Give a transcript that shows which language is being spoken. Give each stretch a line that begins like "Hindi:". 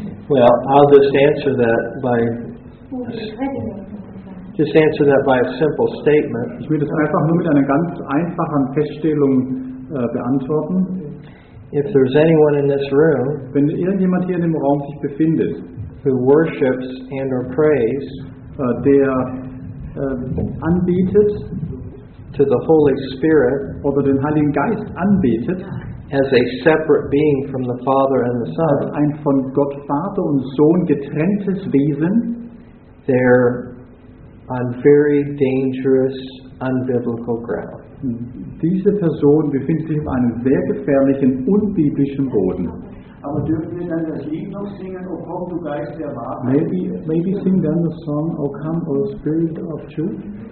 English: Well, I'll just answer that by a simple statement.
German: Ich will das einfach nur mit einer ganz einfachen Feststellung beantworten.
English: If there's anyone in this room,
German: wenn irgendjemand hier in dem Raum sich befindet,
English: who worships and or prays,
German: der anbetet,
English: to the Holy Spirit,
German: oder den Heiligen Geist anbetet,
English: as a separate being from the Father and the Son,
German: als ein von Gott Vater und Sohn getrenntes Wesen,
English: they're on very dangerous, unbiblical ground.
German: Diese Person befindet sich auf einem sehr gefährlichen, unbiblischen Boden. Aber dürfen wir dann das Lied noch singen, O komm, du Geist der Wahrheit?
English: Maybe sing then the song, O come, O Spirit of Truth.